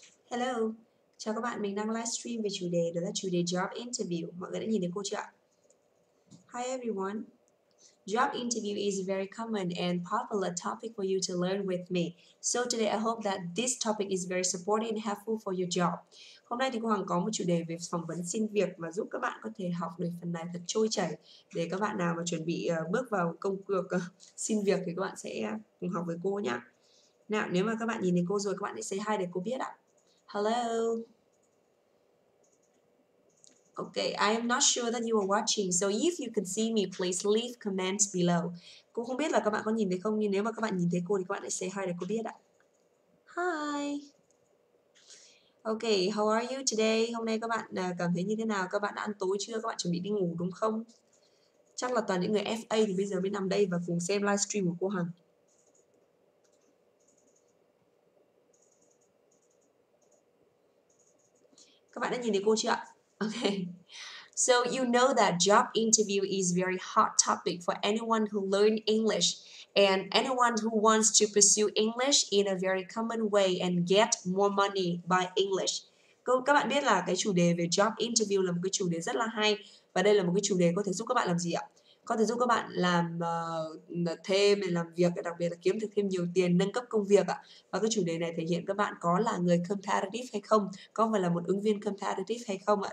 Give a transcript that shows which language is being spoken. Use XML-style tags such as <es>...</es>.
<vi>Hello, chào các bạn, mình đang livestream về chủ đề, đó là chủ đề job interview. Mọi người đã nhìn thấy cô chưa ạ?</vi> <en>Hi everyone. Job interview is very common and popular topic for you to learn with me. So today I hope that this topic is very supportive and helpful for your job.</en> <vi>Hôm nay thì cô Hằng có một chủ đề về phỏng vấn xin việc mà giúp các bạn có thể học được phần này thật trôi chảy để các bạn nào mà chuẩn bị bước vào công cuộc xin việc thì các bạn sẽ cùng học với cô nhá. Nào, nếu mà các bạn nhìn thấy cô rồi, các bạn hãy</vi> <en>say hi</en> <vi>để cô biết ạ.</vi> <en>Hello. Okay, I am not sure that you are watching. So if you can see me, please leave comments below.</en> <vi>Cô không biết là các bạn có nhìn thấy không, nhưng nếu mà các bạn nhìn thấy cô thì các bạn hãy</vi> <en>say hi</en> <vi>để cô biết ạ.</vi> <en>Hi. Okay, how are you today?</en> <vi>Hôm nay các bạn cảm thấy như thế nào? Các bạn đã ăn tối chưa? Các bạn chuẩn bị đi ngủ đúng không? Chắc là toàn những người FA thì bây giờ mới nằm đây và cùng xem livestream của cô Hằng. Các bạn đã nhìn thấy cô chưa ạ?</vi> <en>Okay. So you know that job interview is very hot topic for anyone who learn English and anyone who wants to pursue English in a very common way and get more money by English.</en> <vi>Các bạn biết là cái chủ đề về job interview là một cái chủ đề rất là hay và đây là một cái chủ đề có thể giúp các bạn làm gì ạ? Có thể giúp các bạn làm thêm, làm việc, đặc biệt là kiếm được thêm nhiều tiền, nâng cấp công việc ạ. Và cái chủ đề này thể hiện các bạn có là người competitive hay không, có phải là một ứng viên competitive hay không ạ.</vi>